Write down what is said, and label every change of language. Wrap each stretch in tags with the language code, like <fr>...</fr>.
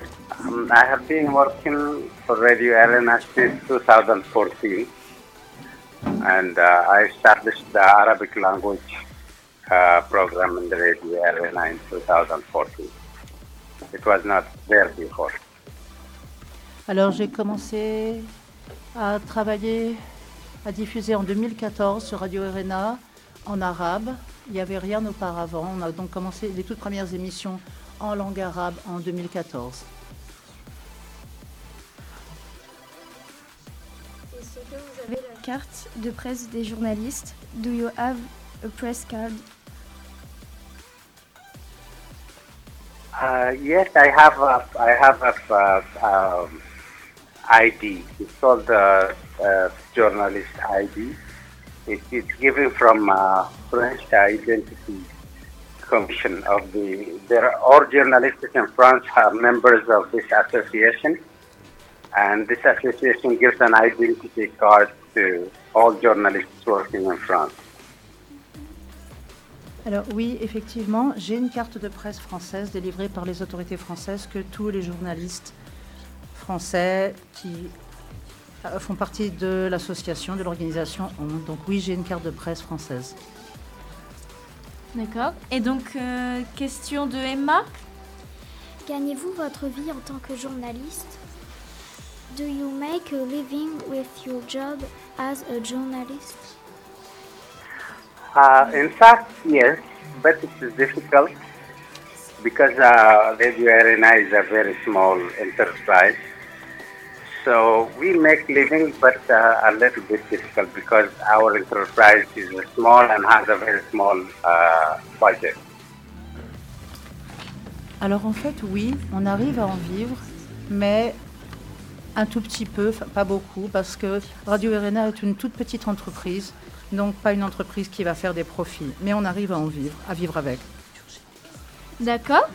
<en>I have been working for Radio Irina since 2014. And I established the Arabic language program in the Radio Irina in 2014. It was not there before.</en> <fr>Alors j'ai commencé à travailler, à diffuser en 2014 sur Radio Irina en arabe. Il n'y avait rien auparavant. On a donc commencé les toutes premières émissions en langue arabe en 2014. Carte de presse des journalistes.</fr> <en>Do you have a press card? Yes, I have a ID. It's called the journalist ID. It's given from French Identity Commission of the. There are all journalists in France are members of this association, and this association gives an identity card to all journalists working in France.</en> <fr>Alors oui, effectivement, j'ai une carte de presse française délivrée par les autorités françaises que tous les journalistes français qui font partie de l'association, de l'organisation ont. Donc oui, j'ai une carte de presse française. D'accord. Et donc, question de Emma. Gagnez-vous votre vie en tant que journaliste?</fr> <en>Do you make a living with your job as a journalist? In fact, yes, but it is difficult because Radio Irina is a very small enterprise. So we make living, but a little bit difficult because our enterprise is small and has a very small budget.</en> <fr>Alors en fait, oui, on arrive à en vivre, mais un tout petit peu, pas beaucoup, parce que Radio Irina est une toute petite entreprise, donc pas une entreprise qui va faire des profits. Mais on arrive à en vivre, à vivre avec. D'accord.</fr>